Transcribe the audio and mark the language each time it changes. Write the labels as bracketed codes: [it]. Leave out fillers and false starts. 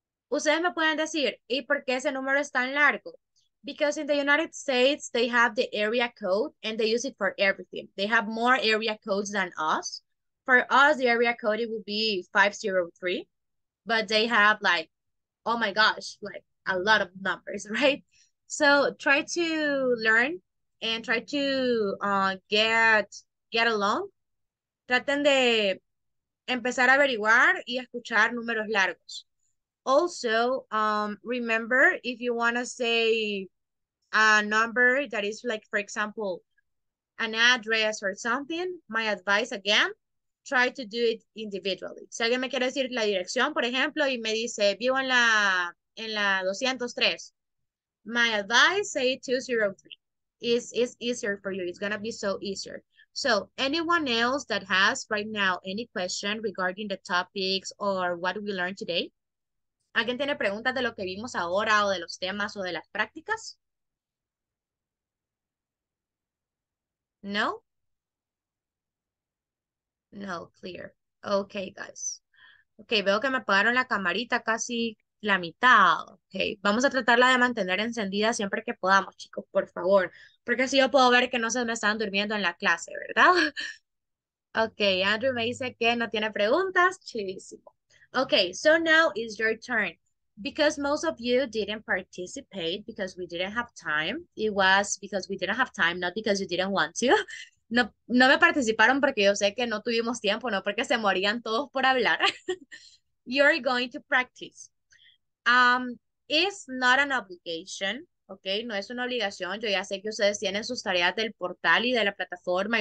[es] Ustedes me pueden decir, ¿y por qué ese número es tan largo? [en] Because in the United States, they have the area code and they use it for everything. They have more area codes than us. For us, the area code, it would be 503. But they have like, oh my gosh, like a lot of numbers, right? So try to learn and try to get along. [es] Traten de empezar a averiguar y escuchar números largos. [en] Also, remember, if you want to say a number that is like, for example, an address or something, my advice again, try to do it individually. [es] Si alguien me quiere decir la dirección, por ejemplo, y me dice, vivo en la 203, [en] my advice, say 203. It's easier for you. It's going to be so easier. So anyone else that has right now any question regarding the topics or what we learned today? [es] ¿Alguien tiene preguntas de lo que vimos ahora o de los temas o de las prácticas? No? [en] No, clear. Okay, guys. [es] Okay, veo que me apagaron la camarita casi la mitad. Okay, vamos a tratarla de mantener encendida siempre que podamos, chicos, por favor. Porque así yo puedo ver que no se me están durmiendo en la clase, ¿verdad? Okay, Andrew me dice que no tiene preguntas. Chidísimo. [en] Okay, so now is your turn. Because most of you didn't participate because we didn't have time. It was because we didn't have time, not because you didn't want to. [es] No me participaron porque yo sé que no tuvimos tiempo, no porque se morían todos por hablar. [en] You're going to practice. It's not an obligation, okay? [es] No es una obligación. Yo ya sé que ustedes tienen sus tareas del portal y de la plataforma.